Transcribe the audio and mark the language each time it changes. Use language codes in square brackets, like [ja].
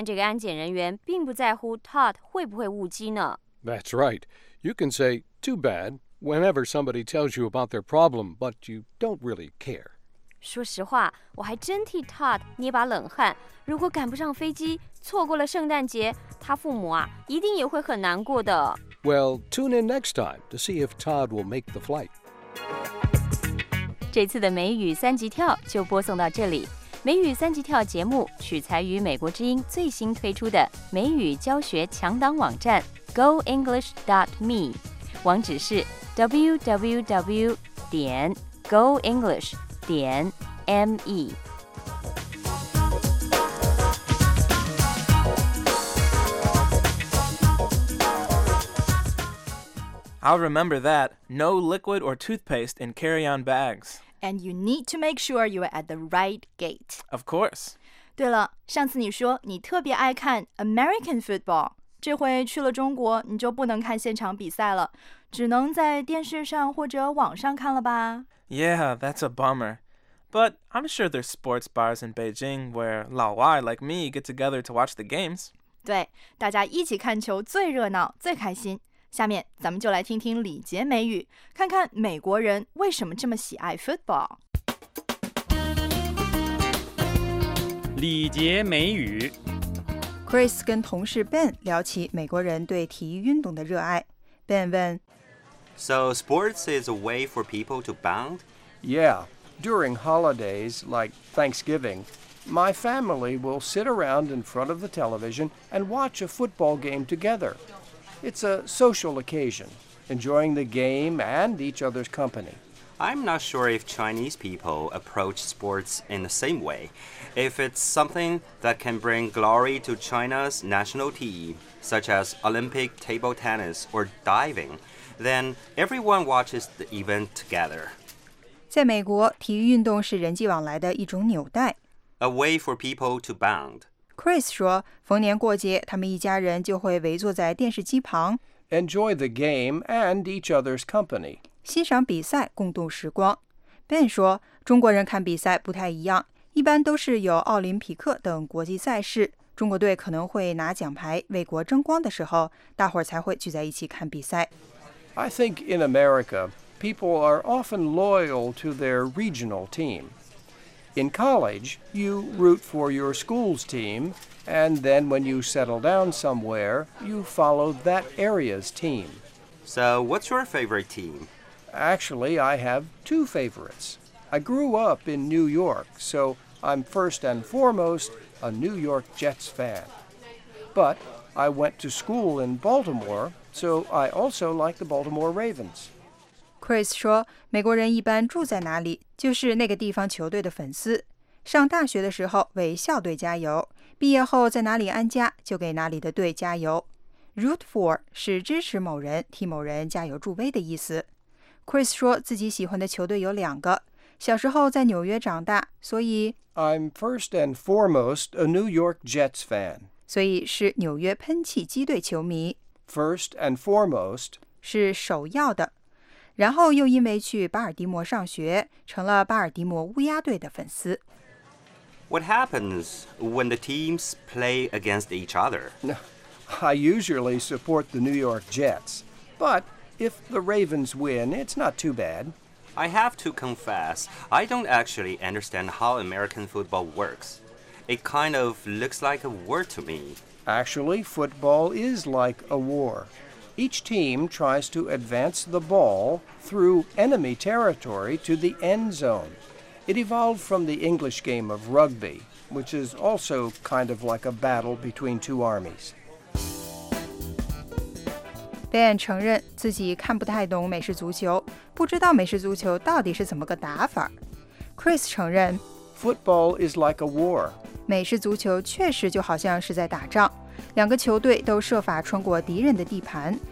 [zh] 那就是走错候机楼了。哎呦,Todd可真倒霉,居然走错了候机楼,还要到别的候机楼再过一次安检。不过,我看这个安检人员并不在乎Todd会不会误机呢。 [en] That's right. You can say, too bad, whenever somebody tells you about their problem, but you don't really care. [zh] 说实话,我还真替Todd捏把冷汗。如果赶不上飞机,错过了圣诞节,他父母啊,一定也会很难过的。 [en] Well, tune in next time to see if Todd will make the flight. [zh] 这次的美语三级跳就播送到这里。美语三级跳节目取材于美国之音最新推出的美语教学强档网站。 [en] goenglish.me [zh] 网址是 [en] www.goenglish.me I'll remember that. No liquid or toothpaste in carry-on bags. And you need to make sure you are at the right gate. Of course. [zh] 对了,上次你说你特别爱看 American football。这回去了中国,你就不能看现场比赛了,只能在电视上或者网上看了吧? [en] Yeah, that's a bummer. But I'm sure there's sports bars in Beijing where 老外 like me get together to watch the games. [zh] 对,大家一起看球最热闹,最开心。下面咱们就来听听礼节美语,看看美国人为什么这么喜爱football。礼节美语 Chris 跟同事 Ben 聊起美国人对体育运动的热爱。Ben 问, [en] So sports is a way for people to bond? Yeah, during holidays like Thanksgiving, my family will sit around in front of the television and watch a football game together. It's a social occasion, enjoying the game and each other's company. I'm not sure if Chinese people approach sports in the same way. If it's something that can bring glory to China's national team, such as Olympic table tennis or diving, then everyone watches the event together. [zh] 在美国,体育运动是人际往来的一种纽带。 [en] A way for people to bond. [zh] Chris 说,逢年过节,他们一家人就会围坐在电视机旁。 [en] Enjoy the game and each other's company. [zh] 欣赏比赛,共度时光。Ben 说,中国人看比赛不太一样,一般都是有奥林匹克等国际赛事,中国队可能会拿奖牌,为国争光的时候,大伙儿才会聚在一起看比赛。 [en] I think in America, people are often loyal to their regional team. In college, you root for your school's team, and then when you settle down somewhere, you follow that area's team. So what's your favorite team? Actually, I have two favorites. I grew up in New York, so I'm first and foremost a New York Jets fan. But I went to school in Baltimore, so I also like the Baltimore Ravens. [zh] Chris说,美国人一般住在哪里,就是那个地方球队的粉丝。上大学的时候,为校队加油,毕业后在哪里安家,就给哪里的队加油。Root for是支持某人,替某人加油助威的意思。Chris 说自己喜欢的球队有两个, 小时候在纽约长大，所以 [en] I'm first and foremost a New York Jets fan. [zh] 所以是纽约喷气机队球迷。 [en] First and foremost [zh] 是首要的，然后又因为去巴尔的摩上学，成了巴尔的摩乌鸦队的粉丝。 [en] What happens when the teams play against each other? I usually support the New York Jets, but if the Ravens win, it's not too bad. I have to confess, I don't actually understand how American football works. It kind of looks like a war to me. Actually, football is like a war. Each team tries to advance the ball through enemy territory to the end zone. It evolved from the English game of rugby, which is also kind of like a battle between two armies. [zh] Ben 承认自己看不太懂美式足球，不知道美式足球到底是怎么个打法。 Chris 承认 [en] ，Football is like a war. [zh] 美式足球确实就好像是在打仗，两个球队都设法穿过敌人的地盘。